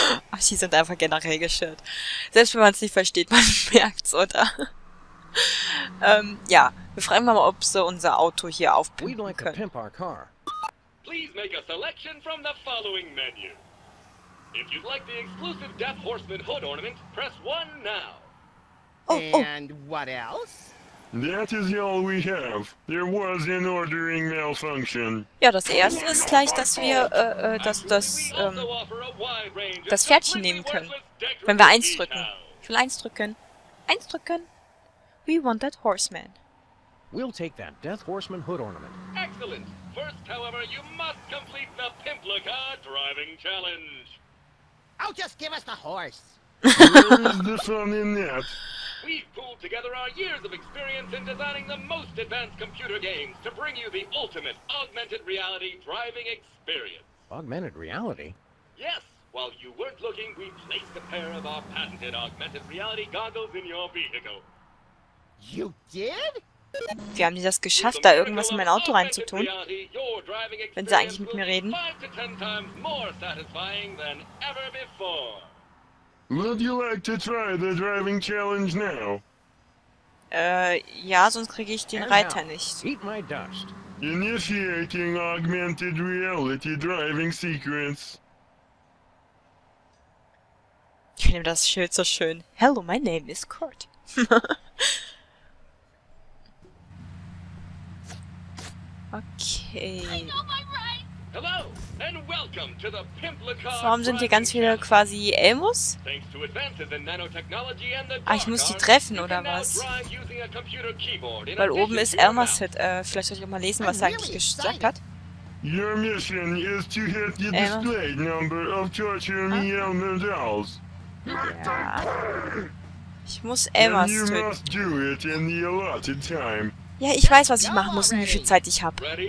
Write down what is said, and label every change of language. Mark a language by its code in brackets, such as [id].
[de] Ach, sie sind einfach generell geschirrt. Selbst wenn man es nicht versteht, man merkt's, oder? ja, wir fragen mal, ob sie unser Auto hier aufpimpen können. [en] Pimp our car. Please make a selection from the following menu. If you'd like the exclusive Death Horseman hood ornament, press 1 now. Oh, oh. And what else? That is all we have. There was an ordering malfunction. [de] Ja, das erste ist gleich, dass wir das Pferdchen nehmen können. Wenn wir eins drücken. Ich will eins drücken. Eins drücken. [en] We want that horseman. We'll take that Death Horseman hood ornament. Excellent. First, however, you must complete the Pimplica driving challenge. I'll just give us the horse. Where is the fun in that? We've pooled together our years of experience in designing the most advanced computer games to bring you the ultimate augmented reality driving experience. Augmented reality? Yes. While you weren't looking, we placed a pair of our patented augmented reality goggles in your vehicle. You did? [de] Wie haben die das geschafft, da irgendwas in mein Auto reinzutun? Wenn sie eigentlich mit mir reden? [en] 5 to 10 times more satisfying than ever before. Would you like to try the driving challenge now? [de] Ja, sonst kriege ich den Reiter nicht. [en] Eat my dust. Initiating augmented reality driving sequence. [de] Ich finde das Schild so schön. [en] Hello, my name is Kurt. Okay. Hello and welcome to the Pimplica. [de] Warum sind hier ganz viele quasi Elmos? [en] Thanks to advances in nanotechnology and the [de] ah, ich muss die treffen oder was? Weil oben ist Elmas Hit. Vielleicht sollte ich auch mal lesen, was er eigentlich gesagt hat. [en] Your mission is to hit the display number of Torture Me Elmer Dolls. [de] Ja. Ich muss Elmas töten. [en] You must do it in the allotted time. [de] Ja, ich weiß, was ich machen muss und wie viel Zeit ich habe.